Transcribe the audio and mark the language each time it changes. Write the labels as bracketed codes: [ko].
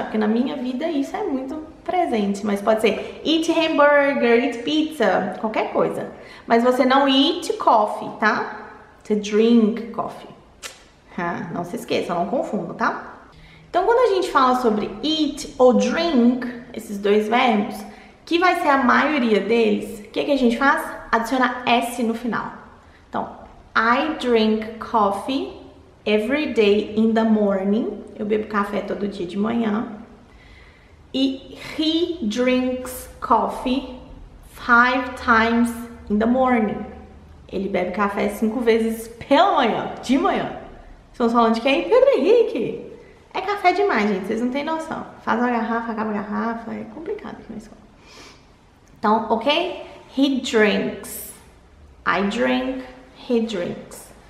[pt] Porque na minha vida isso é muito presente. Mas pode ser [en] eat hamburger, eat pizza, [pt] qualquer coisa. Mas você não eat coffee, tá? [en] To drink coffee. [pt] Não se esqueça, não confunda, tá? Então, quando a gente fala sobre eat ou drink, esses dois verbos... que vai ser a maioria deles, o que, que a gente faz? Adiciona S no final. [en] Então, I drink coffee every day in the morning. [pt] Eu bebo café todo dia de manhã. [en] E he drinks coffee 5 times in the morning. [pt] Ele bebe café 5 vezes pela manhã, de manhã. Estamos falando de quem? Pedro Henrique. É café demais, gente. Vocês não têm noção. Faz uma garrafa, acaba a garrafa. É complicado aqui na escola. Então, ok? [en] He drinks. I drink. He drinks.